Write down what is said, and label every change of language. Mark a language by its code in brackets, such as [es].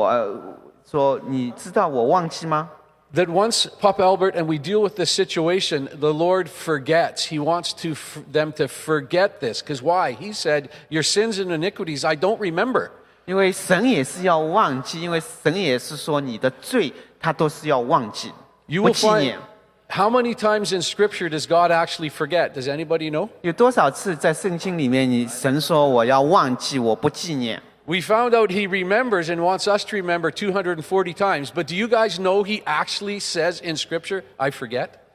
[zh] 圣灵提醒我说，你知道我忘记吗？ [en] That once Papa Albert and we deal with this situation, the Lord forgets. He wants to them to forget this. Because why? He said, your sins and iniquities, I don't remember. [zh] 因为神也是要忘记，因为神也是说你的罪，他都是要忘记。 [en] You will find, how many times in Scripture does God actually forget? Does anybody know? [zh] 有多少次在圣经里面你神说我要忘记，我不纪念？ [en] We found out he remembers and wants us to remember 240 times. But do you guys know he actually says in Scripture, I forget?